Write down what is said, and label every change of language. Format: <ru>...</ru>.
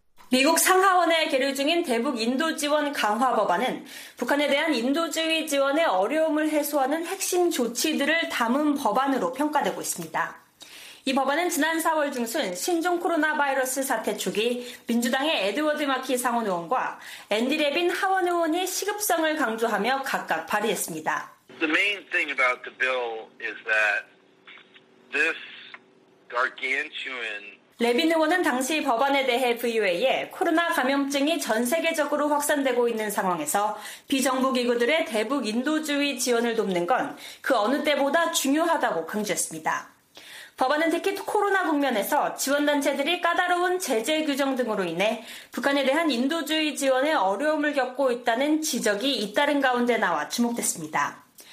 <ko>미국 상하원에 계류 중인 대북 인도지원 강화 법안은 북한에 대한 인도주의 지원의 어려움을 해소하는 핵심 조치들을 담은 법안으로 평가되고 있습니다. 이 법안은 지난 4월 중순 신종 코로나 바이러스 사태 초기 민주당의 에드워드 마키 상원 의원과 앤디 레빈 하원 의원이 시급성을 강조하며 각각 발의했습니다.</ko> <en>The main thing about the bill is that this gargantuan</en> <ko>레빈 의원은 당시 법안에 대해 VOA에 코로나 감염증이 전 세계적으로 확산되고 있는 상황에서 비정부기구들의 대북 인도주의 지원을 돕는 건 그 어느 때보다 중요하다고 강조했습니다. 법안은 특히 코로나 국면에서 지원단체들이 까다로운 제재 규정 등으로 인해 북한에 대한 인도주의 지원에 어려움을 겪고 있다는 지적이 잇따른 가운데 나와 주목됐습니다.</ko>